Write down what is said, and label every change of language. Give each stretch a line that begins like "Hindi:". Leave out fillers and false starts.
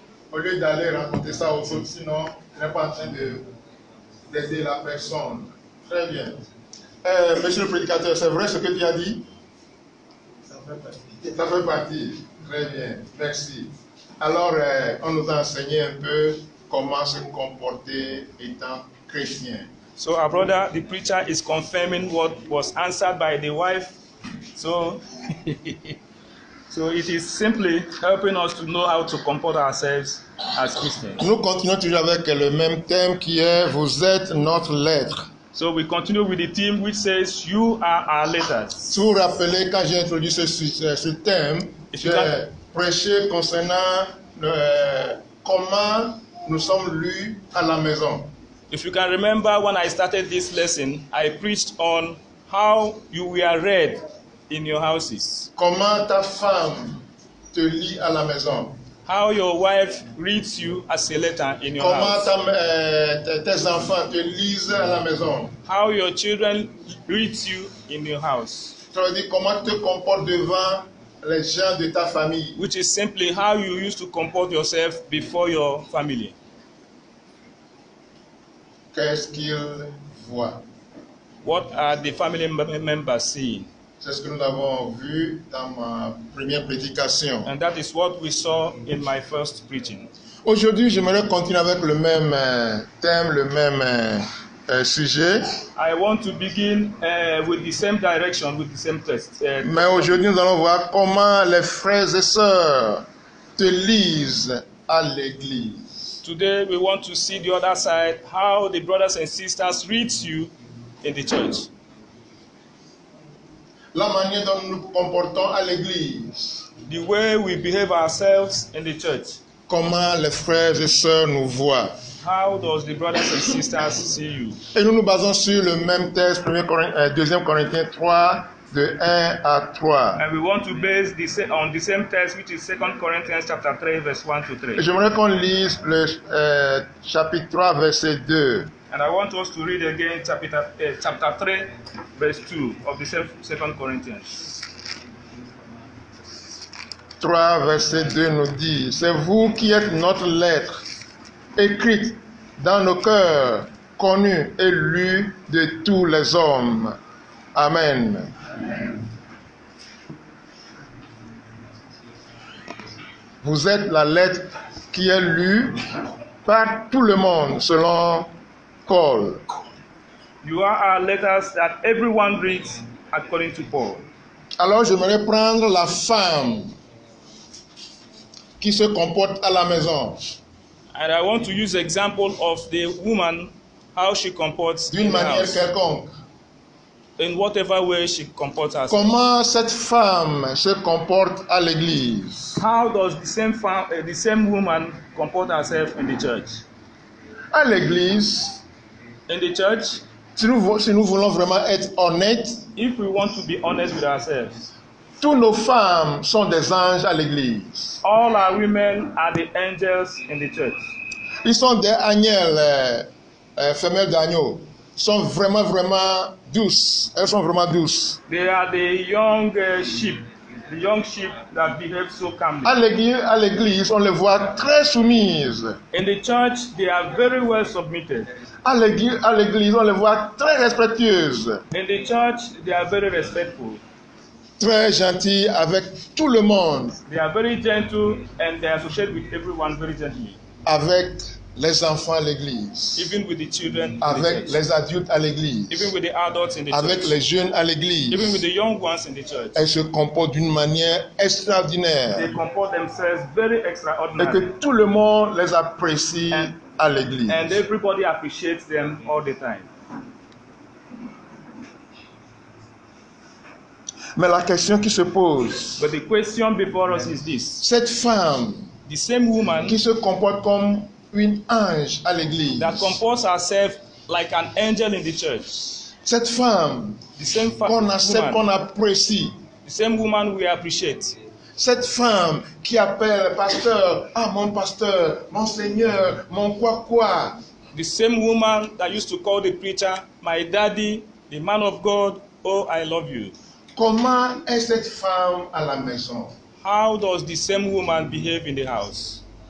French: Au lieu d'aller raconter ça aux autres, sinon, il n'est pas en train d'aider la personne. Très bien. Monsieur le prédicateur, c'est vrai ce que tu as dit? Ça fait partie. Très bien. Merci. Alors, on nous a enseigné un peu comment se comporter étant chrétien.
English: So our brother, the preacher, is confirming what was answered by the wife. So it is simply helping us to know how to comport ourselves as Christians.
French: Nous continuons toujours avec le même thème qui est vous êtes notre lettre.
English: So we continue with the theme which says you are our letters.
French: Si vous rappelez quand j'ai introduit ce thème, j'ai prêché concernant comment nous sommes lus à la maison.
English: If you can remember when I started this lesson, I preached on how you were read in your houses.
French: Comment ta femme te lit à la maison?
English: How your wife reads you as a letter in your
French: comment
English: house?
French: Comment tes enfants te lisent à la maison?
English: How your children read you in your house?
French: Tu dis comment te comportes devant les gens de ta famille?
English: Which is simply how you used to comport yourself before your family.
French: Qu'est-ce qu'il voit?
English: What are the family members seeing?
French: C'est ce que nous avons vu dans ma première prédication.
English: And that is what we saw in my first preaching.
French: Aujourd'hui, j'aimerais continuer avec le même thème, le même sujet.
English: I want to begin with the same direction, with the same text.
French: Mais aujourd'hui, nous allons voir comment les frères et sœurs te lisent à l'église.
English: Today we want to see the other side, how the brothers and sisters read you in the church.
French: La manière dont nous comportons à l'église.
English: The way we behave ourselves in the church.
French: Comment les frères et sœurs nous voient.
English: How does the brothers and sisters see you?
French: Et nous nous basons sur le même texte, 2 Corinthiens 3, de 1 à 3.
English: And we want to base this on the same text, which is 2 Corinthians chapter 3, verse 1 to 3.
French: Et j'aimerais qu'on lise le chapitre 3, verset 2.
English: And I want us to read again chapter 3, verse 2 of the 2 Corinthians.
French: 3, verset 2 nous dit, c'est vous qui êtes notre lettre, écrite dans nos cœurs, connue et lue de tous les hommes. Amen. Vous êtes la lettre qui est lue par tout le monde, selon Paul.
English: You are our letters that everyone reads according to Paul.
French: Alors, je voudrais prendre la femme qui se comporte à la maison.
English: And I want to use example of the woman, how she comports
French: d'une
English: in
French: manière
English: the house.
French: Quelconque.
English: In whatever way she comports herself.
French: Comment cette femme se comporte à l'église?
English: How does the same femme, the same woman comport herself in the church?
French: À l'église.
English: In the church.
French: Si nous voulons vraiment être honnêtes.
English: If we want to be honest with ourselves.
French: Toutes nos femmes sont des anges à l'église.
English: All our women are the angels in the church.
French: Ils sont des agneaux, femelles d'agneau. Sont vraiment vraiment douces. Elles sont vraiment douces.
English: They are the young sheep, the young sheep that behave so calmly.
French: À l'église, on les voit très soumises.
English: In the church, they are very well submitted.
French: À l'église, on les voit très respectueuses.
English: In the church, they are very respectful.
French: Très gentilles avec tout le monde.
English: They are very gentle and they associate with everyone very gently.
French: Avec les enfants à l'église,
English: even with the children,
French: avec les adultes à l'église,
English: even with the adults in the
French: avec
English: church,
French: les jeunes à l'église,
English: even with the young ones in the church,
French: elles se comportent d'une manière extraordinaire.
English: They comport themselves very extraordinary.
French: Et que tout le monde les apprécie à l'église.
English: And everybody appreciates them all the time.
French: Mais la question qui se pose,
English: but the question before us is this.
French: Cette femme,
English: the same woman,
French: qui se comporte comme une ange à l'église,
English: that comports herself like an angel in the church.
French: Cette femme,
English: the same
French: qu'on accepte, qu'on apprécie,
English: the same woman we appreciate.
French: Cette femme qui appelle pasteur, ah mon pasteur, mon seigneur, mon quoi quoi.
English: The same woman that used to call the preacher my daddy, the man of God, oh I love you.
French: Comment est cette femme à la maison?
English: How does the same woman behave in the house?